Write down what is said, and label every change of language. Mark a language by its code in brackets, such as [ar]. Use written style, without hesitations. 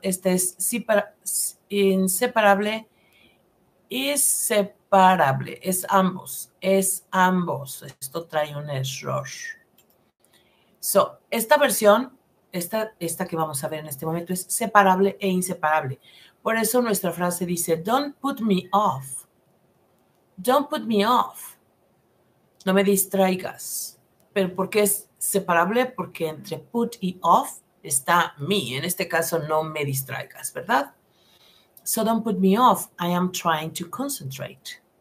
[es] Este es inseparable. Inseparable. Es ambos. Es ambos. Esto trae un error. So, esta versión, esta que vamos a ver en este momento, es separable e inseparable. Por eso nuestra frase dice, [en] don't put me off. Don't put me off. [es] No me distraigas. ¿Pero por qué es separable? Porque entre put y off está me. En este caso, no me distraigas, ¿verdad? [en] So don't put me off. I am trying to concentrate.